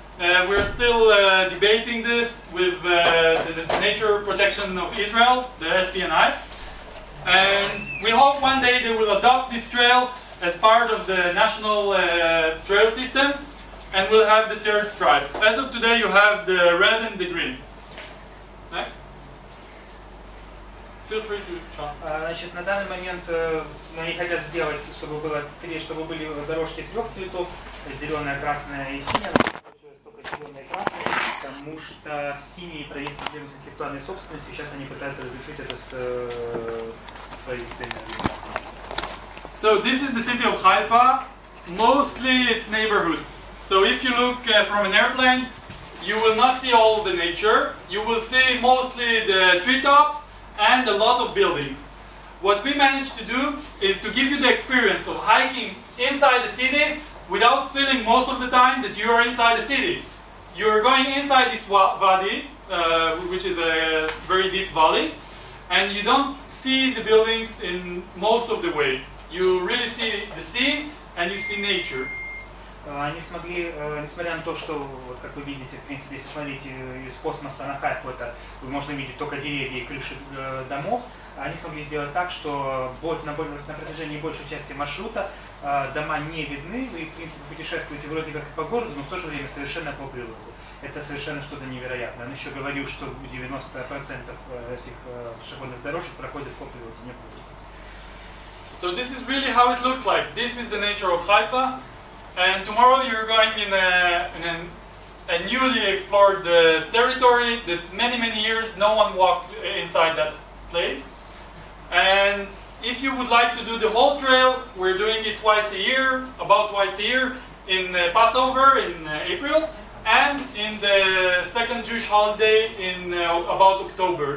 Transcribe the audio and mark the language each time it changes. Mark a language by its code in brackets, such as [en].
[en] We're still debating this with the Nature Protection of Israel, the SPNI. And we hope one day they will adopt this trail as part of the national trail system, and we'll have the third stripe. As of today, you have the red and the green. Next. Feel free to [ru] Значит, на данный момент они хотят сделать, чтобы было три, чтобы были дорожки трех цветов, зеленая, красная и синяя. Потому что синие правительства проблемы с интеллектуальной собственностью, сейчас они пытаются разрешить это с правительствами. [en] So this is the city of Haifa. Mostly it's neighborhoods. So if you look from an airplane, you will not see all the nature. You will see mostly the treetops and a lot of buildings. What we managed to do is to give you the experience of hiking inside the city without feeling most of the time that you are inside the city. You are going inside this Wadi, which is a very deep valley, and you don't see the buildings in most of the way. You really see the sea and you see nature. [ru] Они смогли, несмотря на то, что, вот, как вы видите, в принципе, если смотрите из космоса на Хайфу, это вы можете видеть только деревья и крыши домов, они смогли сделать так, что на протяжении большей части маршрута дома не видны, вы, в принципе, путешествуете вроде как по городу, но в то же время совершенно по природе. Это совершенно что-то невероятное. Он еще говорил, что 90% этих пешеходных дорожек проходят по природе, не по городу. [en] So this is really how it looks like. This is the nature of Haifa. And tomorrow you're going in a newly explored territory that many, many years no one walked inside that place. And if you would like to do the whole trail, we're doing it twice a year, about twice a year, in Passover in April, and in the second Jewish holiday in about October.